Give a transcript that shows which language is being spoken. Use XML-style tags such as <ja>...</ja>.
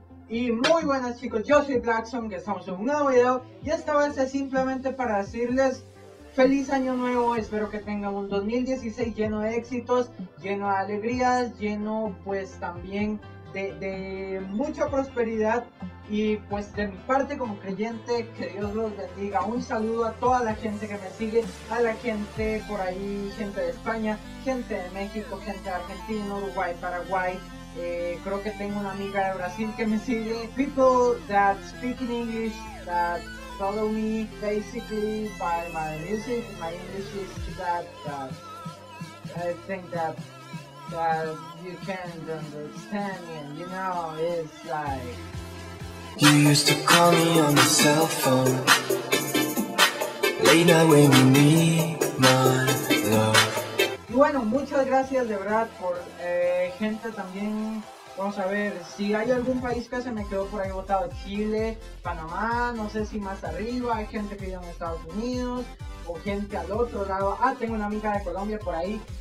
<es>Y muy buenas chicos, yo soy Blackson, que estamos en un nuevo video y esta vez es simplemente para decirles feliz año nuevo, espero que tengan un 2016 lleno de éxitos, lleno de alegrías, lleno pues también de mucha prosperidad y pues de mi parte como creyente que Dios los bendiga, un saludo a toda la gente que me sigue, a la gente por ahí, gente de España, gente de México, gente de Argentina, Uruguay, Paraguay. Creo que tengo una amiga de Brasil que me sigue.</es> <en>People that speak in English, that follow me, basically, by my music. My English is that I think that you can't understand me, you know, it's like... You used to call me on the cell phone, late night when you need my love.</en> <es>Bueno, muchas gracias de verdad por gente también, vamos a ver si hay algún país que se me quedó por ahí botado, Chile, Panamá, no sé si más arriba, hay gente que vive en Estados Unidos o gente al otro lado, tengo una amiga de Colombia por ahí,</es>